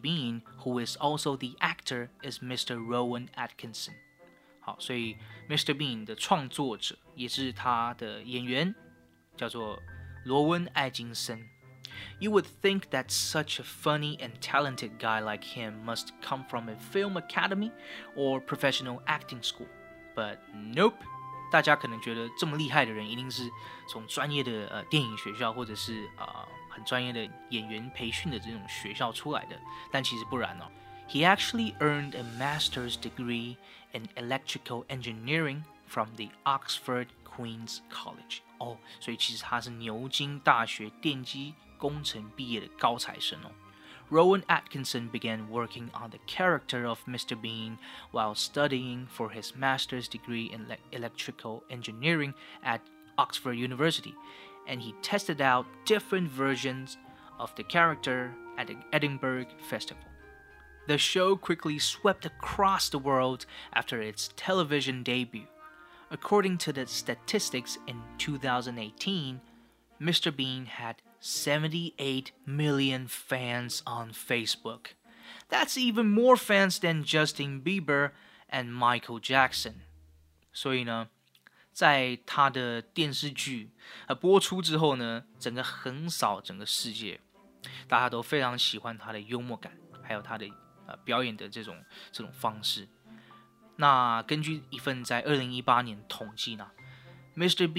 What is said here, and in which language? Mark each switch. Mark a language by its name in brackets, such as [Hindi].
[English] Bean, who is also the actor, is Mr. [Chinese] Rowan Atkinson. 好，所以 Mr. Bean 的创作者也是他的演员，叫做罗恩·艾金森。 [English] You would think that such a funny and talented guy like him must come from a film academy or professional acting school, but nope. [Chinese] 大家可能觉得这么厉害的人一定是从专业的电影学校或者是很专业的演员培训的这种学校出来的，但其实不然哦。 [English] He actually earned a master's degree in electrical engineering from the Oxford Queen's College. [Chinese] 哦，所以其实他是牛津大学电机工程毕业的高材生哦。 [English] Rowan Atkinson began working on the character of Mr. Bean while studying for his master's degree in electrical engineering at Oxford University. And he tested out different versions of the character at the Edinburgh Festival. The show quickly swept across the world after its television debut. According to the statistics in 2018, Mr. Bean had 78 million fans on Facebook. That's even more fans than Justin Bieber and Michael Jackson. [Chinese] 所以呢在他的电视剧播出之后呢，整个横扫整个世界，大家都非常喜欢他的幽默感，还有他的表演的这种方式。那根据一份在2018年统计呢 ，Mr.